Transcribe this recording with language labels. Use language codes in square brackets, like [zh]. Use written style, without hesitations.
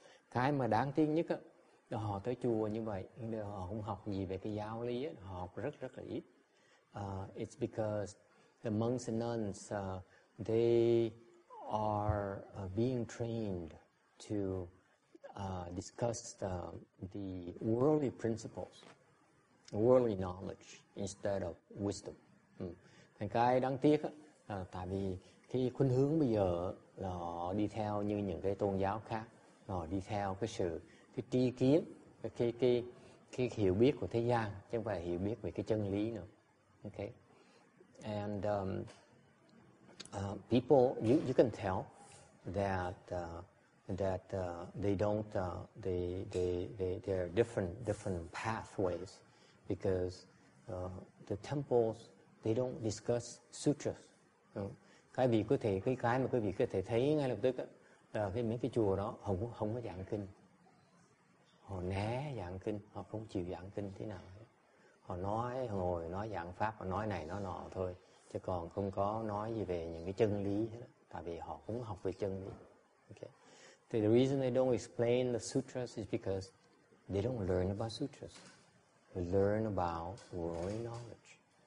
[vi] Cái mà đáng tiếc nhất là họ tới chùa như vậy, nhưng họ không học gì về cái giáo lý, họ học rất rất là ít. [en] It's because the monks and nuns, they are being trained to discuss the worldly principles, worldly knowledge, instead of wisdom. [vi] Thành cái đáng tiếc á, tại vì cái khuynh hướng bây giờ là họ đi theo như những cái tôn giáo khác, họ đi theo cái tri kiến, cái hiểu biết của thế gian, chứ không phải hiểu biết về cái chân lý nữa. [en] Okay. And people, you can tell that they're different pathways, because the temples, they don't discuss sutras. [vi] Cái mà quý vị có thể thấy ngay lập tức là mấy cái chùa đó không có giảng kinh, họ né giảng kinh, họ không chịu giảng kinh thế nào, họ nói ngồi nói giảng pháp, họ nói này nói nọ thôi, chứ còn không có nói gì về những cái chân lý hết, tại vì họ cũng học về chân lý. [en] Okay. The reason they don't explain the sutras is because they don't learn about sutras, they learn about worldly knowledge.